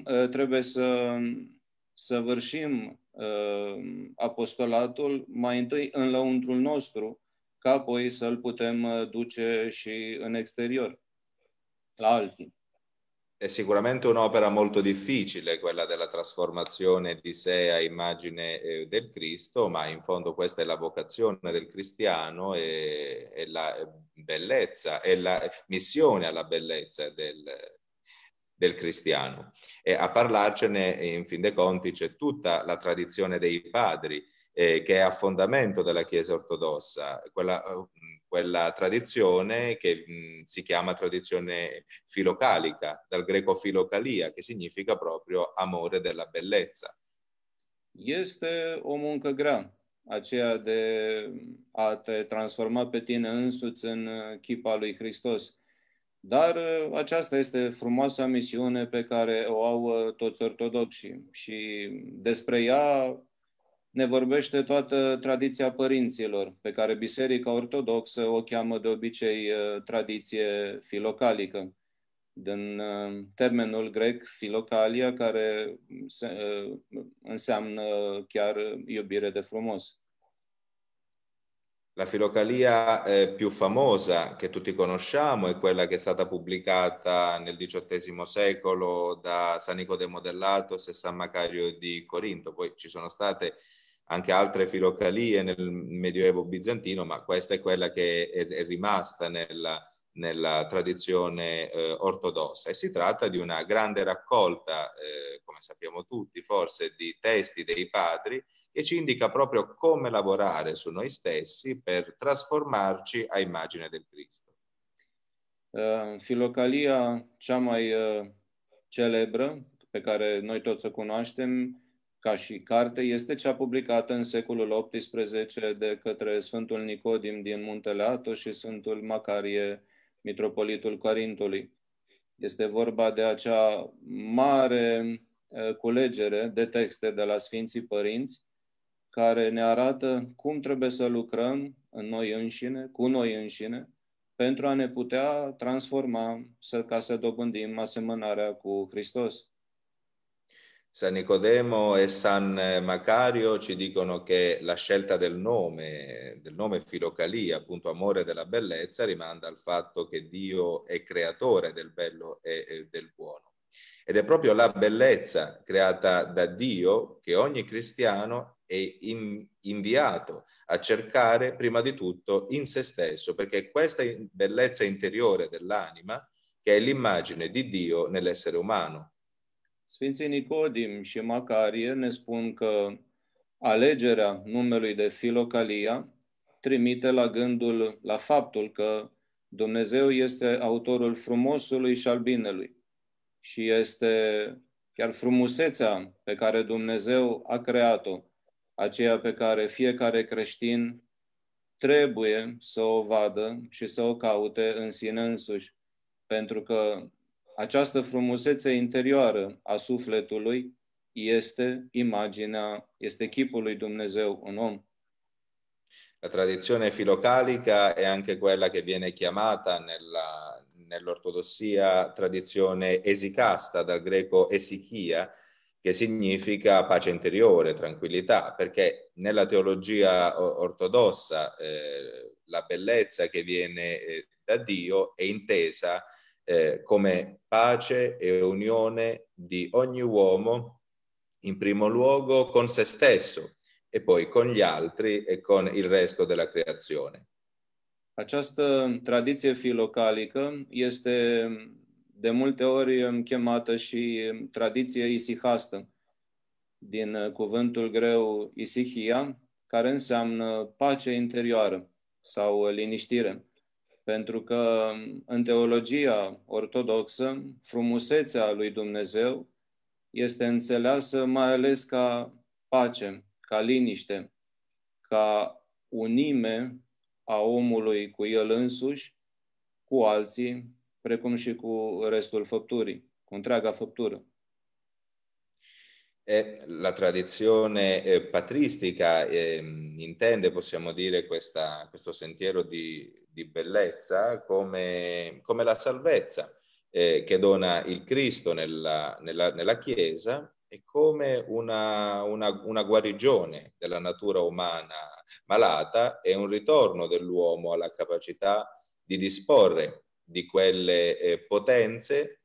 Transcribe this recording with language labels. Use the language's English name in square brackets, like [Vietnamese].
[Romanian] Trebuie să săvârșim apostolatul mai întâi în lăuntrul nostru, ca apoi să-l putem duce și în exterior, la alții. [Italian] È sicuramente un'opera molto difficile quella della trasformazione di sé a immagine del Cristo, ma in fondo questa è la vocazione del cristiano e la bellezza, e la missione alla bellezza del cristiano. E a parlarcene, in fin dei conti, c'è tutta la tradizione dei padri, che è a fondamento della Chiesa ortodossa, quella tradizione che si chiama tradizione filocalica, dal greco filocalia, che significa proprio amore della bellezza. [Romanian] Este o muncă grea, aceea de a te transforma pe tine însuți în chipa lui Hristos. Dar aceasta este frumoasa misiune pe care o au toți ortodoxii și despre ea ne vorbește toată tradiția părinților, pe care Biserica Ortodoxă o cheamă de obicei tradiție filocalică, din termenul grec filocalia, care înseamnă chiar iubire de frumos. [Italian] La filocalia più famosa che tutti conosciamo è quella che è stata pubblicata nel XVIII secolo da San Nicodemo dell'Atos e San Macario di Corinto. Poi ci sono state anche altre filocalie nel Medioevo bizantino, ma questa è quella che è rimasta nella tradizione ortodossa. E si tratta di una grande raccolta, come sappiamo tutti, forse, di testi dei padri, che ci indica proprio come lavorare su noi stessi per trasformarci a immagine del Cristo. [Romanian] Filocalia cea mai celebră, pe care noi toți o cunoaștem, ca și carte, este cea publicată în secolul XVIII de către Sfântul Nicodim din Muntele Atos și Sfântul Macarie, Mitropolitul Corintului. Este vorba de acea mare culegere de texte de la Sfinții Părinți, care ne arată cum trebuie să lucrăm în noi înșine, cu noi înșine, pentru a ne putea transforma, ca să dobândim asemănarea cu Hristos. [Italian] San Nicodemo e San Macario ci dicono che la scelta del nome filocalia, appunto amore della bellezza, rimanda al fatto che Dio è creatore del bello e del buono. Ed è proprio la bellezza creata da Dio che ogni cristiano è inviato a cercare prima di tutto in se stesso, perché questa bellezza interiore dell'anima che è l'immagine di Dio nell'essere umano. [Romanian] Sfinții Nicodim și Macarie ne spun că alegerea numelui de Filocalia trimite la gândul, la faptul că Dumnezeu este autorul frumosului și al binelui. Și este chiar frumusețea pe care Dumnezeu a creat-o, aceea pe care fiecare creștin trebuie să o vadă și să o caute în sine însuși, pentru că această frumusețe interioară a sufletului este imaginea, este chipul lui Dumnezeu în om. [Italian] La tradizione filocalica è anche quella che viene chiamata nell'ortodossia tradizione esicasta, dal greco esichia, che significa pace interiore, tranquillità, perché nella teologia ortodossa la bellezza che viene da Dio è intesa come pace e unione di ogni uomo, in primo luogo con se stesso e poi con gli altri e con il resto della creazione. [Romanian] Această tradiție filocalică este de multe ori chemată și tradiție isihastă, din cuvântul greu isihia, care înseamnă pace interioară sau liniștire. Pentru că în teologia ortodoxă, frumusețea lui Dumnezeu este înțeleasă mai ales ca pace, ca liniște, ca unime a omului cu el însuși, cu alții, precum și cu restul făpturii, cu întreaga făptură. [Italian] La tradizione patristica intende, possiamo dire, questo sentiero di bellezza come la salvezza che dona il Cristo nella Chiesa e come una guarigione della natura umana malata e un ritorno dell'uomo alla capacità di disporre di quelle potenze.